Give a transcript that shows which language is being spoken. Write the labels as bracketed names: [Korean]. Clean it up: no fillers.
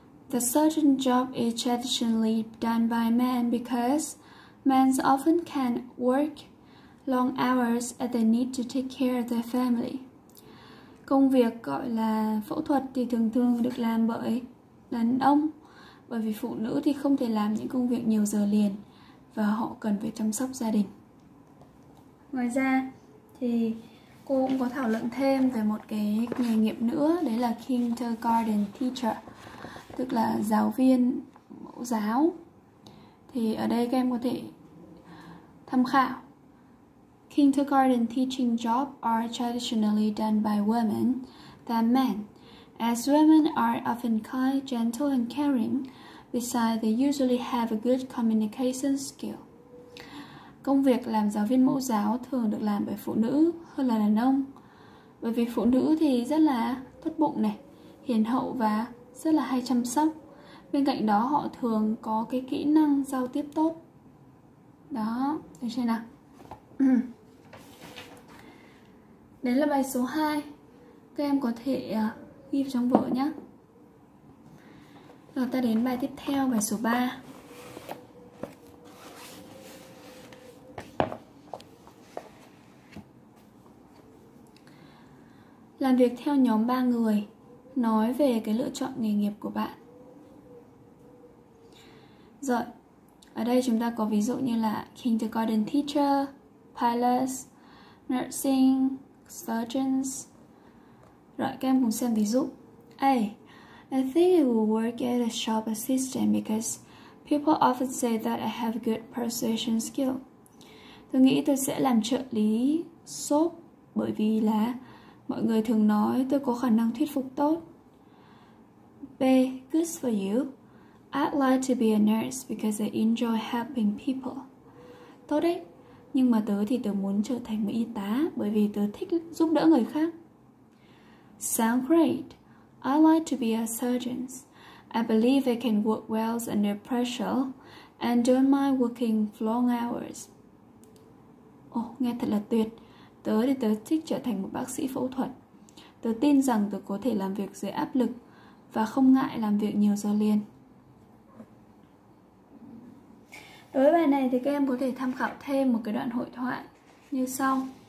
[English] The certain job is traditionally done by men because men often can work long hours as they need to take care of their family. [Vietnamese] Công việc gọi là phẫu thuật thì thường thường được làm bởi đàn ông, bởi vì phụ nữ thì không thể làm những công việc nhiều giờ liền và họ cần phải chăm sóc gia đình. Ngoài ra thì cô cũng có thảo luận thêm về một cái nghề nghiệp nữa, đấy là kindergarten teacher, tức là giáo viên mẫu giáo. Thì ở đây các em có thể tham khảo. [English] Kindergarten teaching jobs are traditionally done by women than men, as women are often kind, gentle and caring. Besides, they usually have a good communication skill. [Vietnamese] Công việc làm giáo viên mẫu giáo thường được làm bởi phụ nữ hơn là đàn ông, bởi vì phụ nữ thì rất là tốt bụng này, hiền hậu và rất là hay chăm sóc. Bên cạnh đó họ thường có cái kỹ năng giao tiếp tốt. Đó, được chưa nào? Đấy là bài số 2. Các em có thể ghi trong vở nhé. Rồi ta đến bài tiếp theo, bài số 3. Làm việc theo nhóm 3 người, nói về cái lựa chọn nghề nghiệp của bạn. Rồi, ở đây chúng ta có ví dụ như là kindergarten teacher, pilots, nursing, surgeons. Rồi, các em cùng xem ví dụ. A. [English] I think I will work as a shop assistant because people often say that I have good persuasion skill. [Vietnamese] Tôi nghĩ tôi sẽ làm trợ lý shop bởi vì là mọi người thường nói tôi có khả năng thuyết phục tốt. [English] B. Good for you. I'd like to be a nurse because I enjoy helping people. [Vietnamese] Tốt đấy. Nhưng mà tớ thì tớ muốn trở thành một y tá bởi vì tớ thích giúp đỡ người khác. [English] Sound great. I like to be a surgeon. I believe I can work well under pressure and don't mind working long hours. [Vietnamese] Oh, nghe thật là tuyệt. Tớ thì tớ thích trở thành một bác sĩ phẫu thuật. Tớ tin rằng tớ có thể làm việc dưới áp lực và không ngại làm việc nhiều giờ liền. Đối với bài này thì các em có thể tham khảo thêm một cái đoạn hội thoại như sau.